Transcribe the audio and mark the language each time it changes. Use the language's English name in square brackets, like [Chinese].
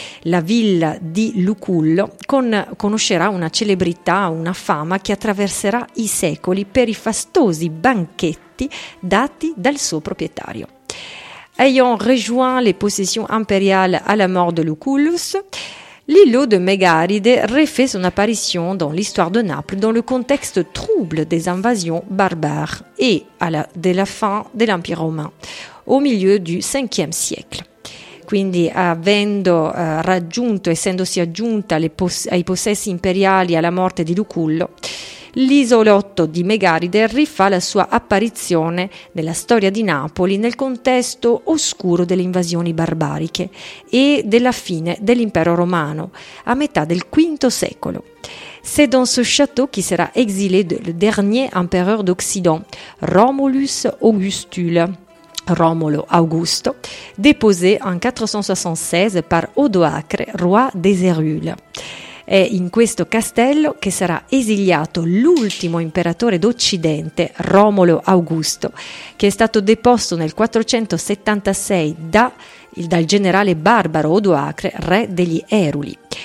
[Italian] La villa di Lucullo conoscerà una celebrità, una fama che attraverserà i secoli per i fastosi banchetti dati dal suo proprietario. [French] Ayant rejoint les possessions impériales à la mort de Lucullus, l'îlot de Megaride refait son apparition dans l'histoire de Naples dans le contexte trouble des invasions barbares et de la fin de l'Empire romain au milieu du 5e siècle. [Italian] Quindi avendo raggiunto, essendosi aggiunta ai possessi imperiali alla morte di Lucullo, l'isolotto di Megaride rifà la sua apparizione nella storia di Napoli nel contesto oscuro delle invasioni barbariche e della fine dell'impero romano a metà del V secolo. [French] C'est dans ce château qui sera exilé le dernier empereur d'Occident, Romulus Augustule. Romolo Augusto, deposé en 476 par Odoacre, roi des Érules. [Italian] È in questo castello che sarà esiliato l'ultimo imperatore d'Occidente, Romolo Augusto, che è stato deposto nel 476 dal generale barbaro Odoacre, re degli Eruli.